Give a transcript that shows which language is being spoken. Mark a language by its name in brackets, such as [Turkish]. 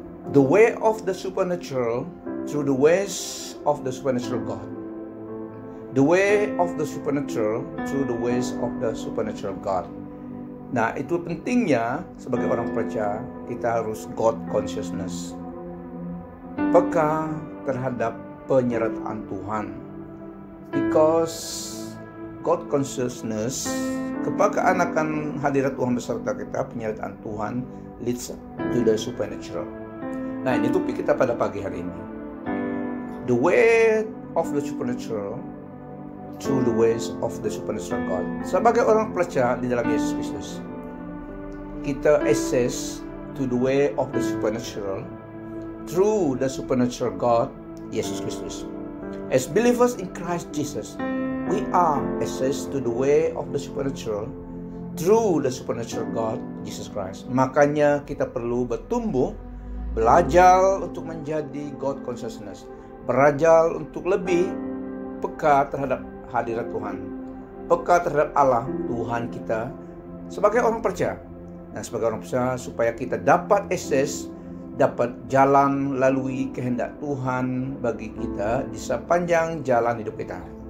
[English] The way of the supernatural through the ways of the supernatural God. The way of the supernatural through the ways of the supernatural God. [Indonesian] Nah, itu pentingnya sebagai orang percaya, kita harus God consciousness. Peka terhadap penyertaan Tuhan. [English] Because God consciousness, [Indonesian] kepekaan akan hadirat Tuhan beserta kita, penyertaan Tuhan, [English] leads to the supernatural. [Indonesian] Nah, ini topik kita pada pagi hari ini. [English] The way of the supernatural through the ways of the supernatural God. [Indonesian] Sebagai orang percaya di dalam Yesus Kristus, kita [English] access to the way of the supernatural through the supernatural God, Yesus Kristus. As believers in Christ Jesus, we are access to the way of the supernatural through the supernatural God, Jesus Christ. [Indonesian] Makanya kita perlu bertumbuh, belajar untuk menjadi God consciousness, belajar untuk lebih peka terhadap hadirat Tuhan, peka terhadap Allah Tuhan kita sebagai orang percaya. Nah, sebagai orang percaya, supaya kita dapat access, dapat jalan lalui kehendak Tuhan bagi kita di sepanjang jalan hidup kita.